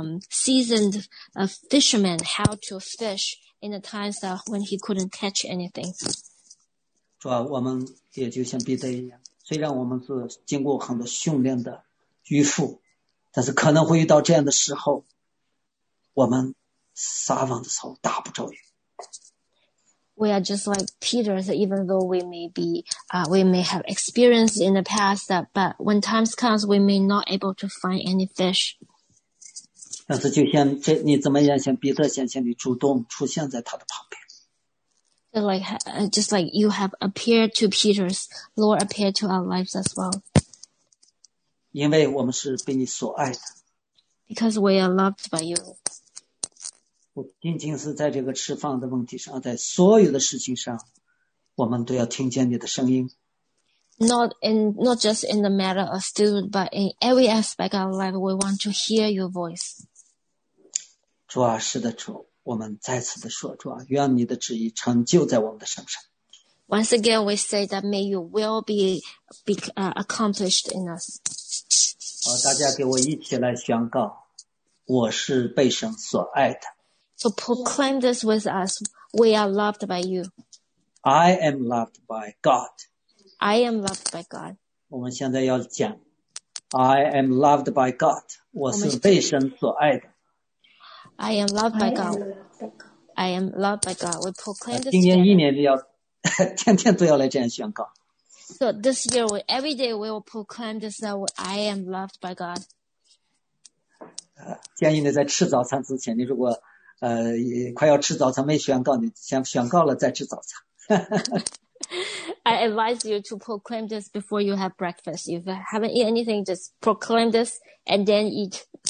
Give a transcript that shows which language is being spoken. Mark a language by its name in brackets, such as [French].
[English] Seasoned a fisherman how to fish in the times that when he couldn't catch anything. [Chinese] 主啊，我们也就像彼得一样。虽然我们是经过很多训练的渔夫，但是可能会遇到这样的时候，我们撒网的时候打不着鱼。 [English] We are just like Peter, even though we may be, we may have experienced in the past that, but when times comes, we may not able to find any fish. [Chinese] 但是就像这，你怎么样像彼得显现，你主动出现在他的旁边。 [English] Like, just like you have appeared to Peter's, Lord appeared to our lives as well. [Chinese] 因为我们是被你所爱的。 [English] Because we are loved by you. [Chinese] 不仅仅是在这个吃饭的问题上，在所有的事情上，我们都要听见你的声音。 [English] Not just in the matter of food, but in every aspect of life, we want to hear your voice. [Chinese] 主啊，是的，主。我们再次的说主啊，愿你的旨意成就在我们的身上。 [English] Once again, we say that may your will be accomplished in us. [Chinese] 好，大家给我一起来宣告，我是被神所爱的。 [English] So proclaim this with us: We are loved by you. I am loved by God. I am loved by God. [Chinese] 我们现在要讲 [English] ，I am loved by God. [Chinese] 我是被神所爱的。 [English] I am loved by God. I am loved by God. We proclaim this. [Chinese] 今年一年都要，天天都要来这样宣告。 [English] So this year, every day we will proclaim this that I am loved by God. [Chinese] 建议你在吃早餐之前，你如果快要吃早餐没宣告，你先宣告了再吃早餐。 [English] I advise you to proclaim this before you have breakfast. If you haven't eaten anything, just proclaim this and then eat.